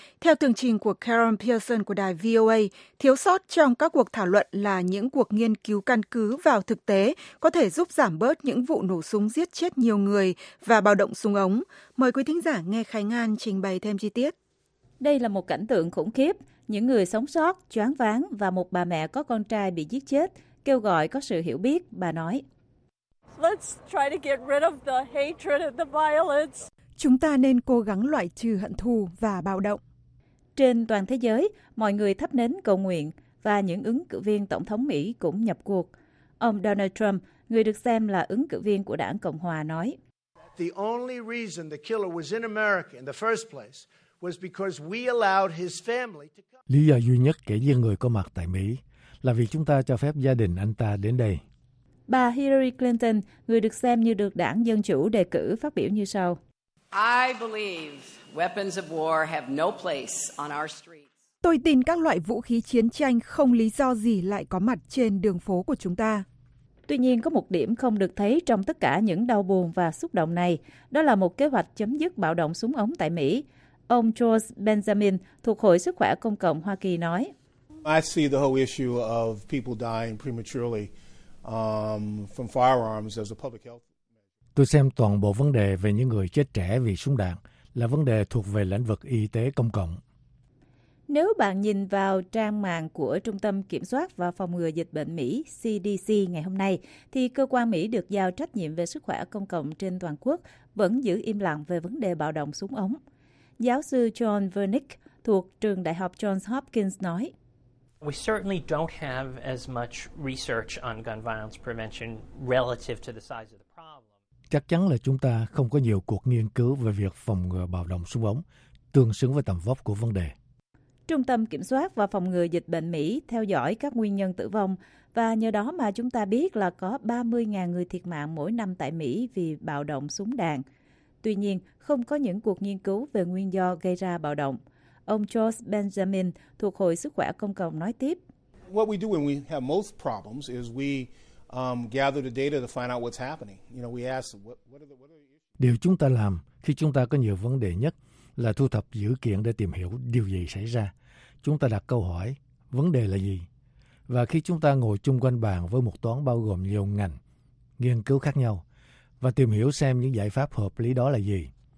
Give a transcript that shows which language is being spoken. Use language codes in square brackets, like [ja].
[vi] Theo tường trình của Karen Pearson của đài VOA, thiếu sót trong các cuộc thảo luận là những cuộc nghiên cứu căn cứ vào thực tế có thể giúp giảm bớt những vụ nổ súng giết chết nhiều người và bạo động súng ống. Mời quý thính giả nghe Khánh Ngan trình bày thêm chi tiết. Đây là một cảnh tượng khủng khiếp. Những người sống sót, choáng váng và một bà mẹ có con trai bị giết chết kêu gọi có sự hiểu biết, bà nói. [en] Let's try to get rid of the hatred and the violence. [vi] Chúng ta nên cố gắng loại trừ hận thù và bạo động. Trên toàn thế giới, mọi người thắp nến cầu nguyện và những ứng cử viên tổng thống Mỹ cũng nhập cuộc. Ông Donald Trump, người được xem là ứng cử viên của Đảng Cộng hòa, nói: [en] The only reason the killer was in America in the first place was because we allowed his family to come. [vi] Lý do duy nhất kẻ giết người có mặt tại Mỹ là vì chúng ta cho phép gia đình anh ta đến đây. Bà Hillary Clinton, người được xem như được Đảng Dân Chủ đề cử, phát biểu như sau. Tôi tin các loại vũ khí chiến tranh không lý do gì lại có mặt trên đường phố của chúng ta. Tuy nhiên, có một điểm không được thấy trong tất cả những đau buồn và xúc động này, đó là một kế hoạch chấm dứt bạo động súng ống tại Mỹ. Ông George Benjamin thuộc Hội Sức khỏe Công cộng Hoa Kỳ nói. [en] I see the whole issue of people dying prematurely. From firearms as a public health. [vi] Tôi xem toàn bộ vấn đề về những người chết trẻ vì súng đạn là vấn đề thuộc về lĩnh vực y tế công cộng. Nếu bạn nhìn vào trang mạng của Trung tâm Kiểm soát và Phòng ngừa Dịch bệnh Mỹ CDC ngày hôm nay, thì cơ quan Mỹ được giao trách nhiệm về sức khỏe công cộng trên toàn quốc vẫn giữ im lặng về vấn đề bạo động súng ống. Giáo sư John Vernick thuộc Trường Đại học Johns Hopkins nói, [en] We certainly don't have as much research on gun violence prevention relative to the size of the problem. [vi] Chắc chắn là chúng ta không có nhiều cuộc nghiên cứu về việc phòng ngừa bạo động súng ống tương xứng với tầm vóc của vấn đề. Trung tâm Kiểm soát và Phòng ngừa Dịch bệnh Mỹ theo dõi các nguyên nhân tử vong và nhờ đó mà chúng ta biết là có 30.000 người thiệt mạng mỗi năm tại Mỹ vì bạo động súng đạn. Tuy nhiên, không có những cuộc nghiên cứu về nguyên do gây ra bạo động. Ông George Benjamin thuộc Hội Sức khỏe Công cộng nói tiếp. [en] What we do when we have most problems is we gather the data to find out what's happening. You know, we ask what are the issues. [vi] Điều chúng ta làm khi chúng ta có nhiều vấn đề nhất là thu thập dữ kiện để tìm hiểu điều gì xảy ra. Chúng ta đặt câu hỏi, vấn đề là gì? Và khi chúng ta ngồi chung quanh bàn với một toán bao gồm nhiều ngành nghiên cứu khác nhau và tìm hiểu xem những giải pháp hợp lý đó là gì.